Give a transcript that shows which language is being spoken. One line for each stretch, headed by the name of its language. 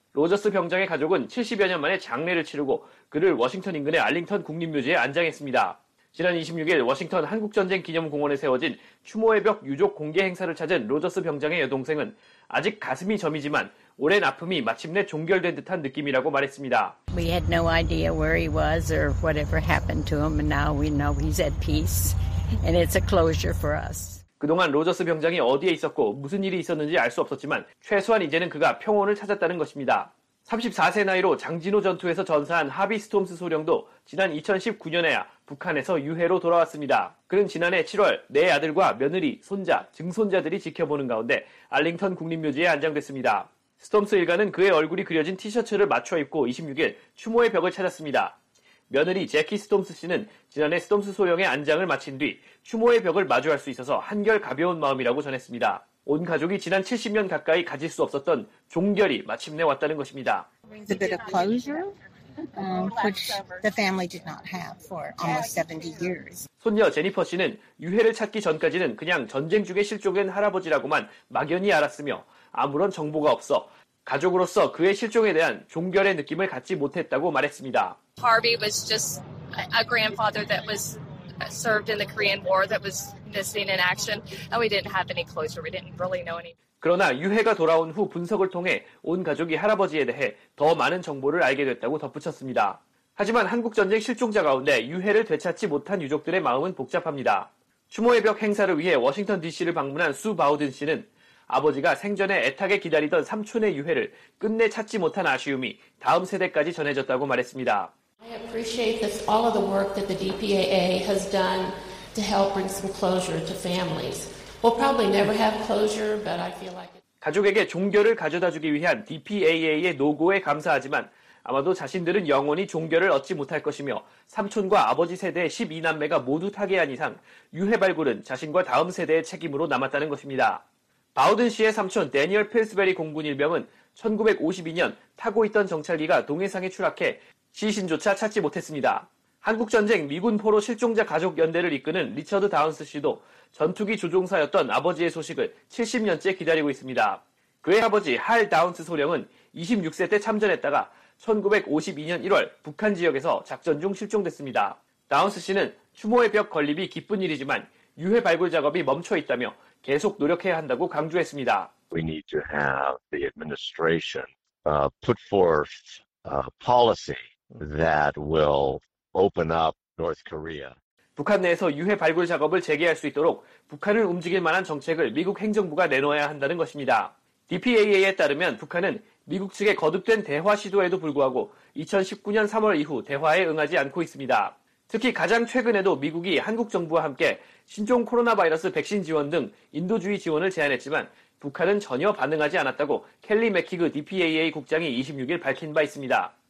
Korean: 로저스 병장의 가족은 70여 년 만에 장례를 치르고 그를 워싱턴 인근의 알링턴 국립묘지에 안장했습니다. 지난 26일 워싱턴 한국전쟁기념공원에 세워진 추모의벽 유족 공개 행사를 찾은 로저스 병장의 여동생은 아직 가슴이 저미지만 오랜 아픔이 마침내 종결된 듯한 느낌이라고 말했습니다.
English: We had no idea where he was or whatever happened to him and now we know he's at peace and it's a closure for us.
Korean: 그동안 로저스 병장이 어디에 있었고 무슨 일이 있었는지 알 수 없었지만 최소한 이제는 그가 평온을 찾았다는 것입니다. 34세 나이로 장진호 전투에서 전사한 하비 스톰스 소령도 지난 2019년에야 북한에서 유해로 돌아왔습니다. 그는 지난해 7월 내 아들과 며느리, 손자, 증손자들이 지켜보는 가운데 알링턴 국립묘지에 안장됐습니다. 스톰스 일가는 그의 얼굴이 그려진 티셔츠를 맞춰 입고 26일 추모의 벽을 찾았습니다. 며느리 제키 스톰스 씨는 지난해 스톰스 소령의 안장을 마친 뒤 추모의 벽을 마주할 수 있어서 한결 가벼운 마음이라고 전했습니다. 온 가족이 지난 70년 가까이 가질 수 없었던 종결이 마침내 왔다는 것입니다.
English: It's a bit of closure, which the family did not have for almost 70 years.
Korean: 손녀 제니퍼 씨는 유해를 찾기 전까지는 그냥 전쟁 중에 실종된 할아버지라고만 막연히 알았으며 아무런 정보가 없어 가족으로서 그의 실종에 대한 종결의 느낌을 갖지 못했다고 말했습니다.
English: Harvey was just a grandfather that was served in the Korean War that was missing in action and we didn't have any closure. We didn't really know any.
Korean: 그러나 유해가 돌아온 후 분석을 통해 온 가족이 할아버지에 대해 더 많은 정보를 알게 됐다고 덧붙였습니다. 하지만 한국 전쟁 실종자 가운데 유해를 되찾지 못한 유족들의 마음은 복잡합니다. 추모의 벽 행사를 위해 워싱턴 DC를 방문한 수 바우든 씨는 아버지가 생전에 애타게 기다리던 삼촌의 유해를 끝내 찾지 못한 아쉬움이 다음 세대까지 전해졌다고 말했습니다.
English: I appreciate this, all of the work that the DPAA has done to help bring some closure to families. We'll probably never have closure, but I feel like it.
Korean: 가족에게 종결을 가져다주기 위한 DPAA의 노고에 감사하지만 아마도 자신들은 영원히 종결을 얻지 못할 것이며 삼촌과 아버지 세대의 12남매가 모두 타계한 이상 유해 발굴은 자신과 다음 세대의 책임으로 남았다는 것입니다. 바우든 씨의 삼촌 대니얼 필스베리 공군 일병은 1952년 타고 있던 정찰기가 동해상에 추락해 시신조차 찾지 못했습니다. 한국전쟁 미군 포로 실종자 가족 연대를 이끄는 리처드 다운스 씨도 전투기 조종사였던 아버지의 소식을 70년째 기다리고 있습니다. 그의 아버지 할 다운스 소령은 26세 때 참전했다가 1952년 1월 북한 지역에서 작전 중 실종됐습니다. 다운스 씨는 추모의 벽 건립이 기쁜 일이지만 유해 발굴 작업이 멈춰 있다며 계속 노력해야 한다고 강조했습니다.
English: We need to have the administration put forth a policy that will open up North Korea.
Korean: 북한 내에서 유해 발굴 작업을 재개할 수 있도록 북한을 움직일 만한 정책을 미국 행정부가 내놓아야 한다는 것입니다. DPAA에 따르면 북한은 미국 측의 거듭된 대화 시도에도 불구하고 2019년 3월 이후 대화에 응하지 않고 있습니다. 특히 가장 최근에도 미국이 한국 정부와 함께 신종 코로나 바이러스 백신 지원 등 인도주의 지원을 제안했지만 북한은 전혀 반응하지 않았다고 켈리 맥히그 DPAA 국장이 26일 밝힌 바 있습니다.